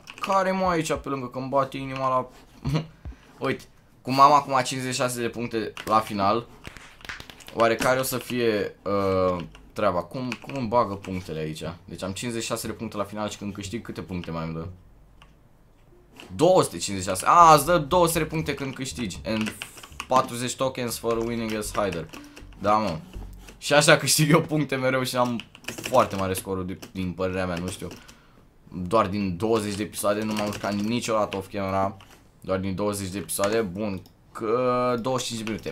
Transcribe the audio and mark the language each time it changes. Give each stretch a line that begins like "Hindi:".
Romanian: Care mă aici pe lângă că-mi bate inima la... Uite, cum am acum 56 de puncte la final, oare care o să fie treaba. Cum îmi bagă punctele aici? Deci am 56 de puncte la final și când câștig, câte puncte mai îmi dă? 256. A, îți dă 200 de puncte când câștigi.
English: And 40 tokens for winning as hider.
Romanian: Da, mă. Și așa câștig eu puncte mereu și am foarte mare scorul din părerea mea, nu știu. Doar din 20 de episoade nu m-am urcat niciodată off camera. Doar din 20 de episoade, bun. 25 minute.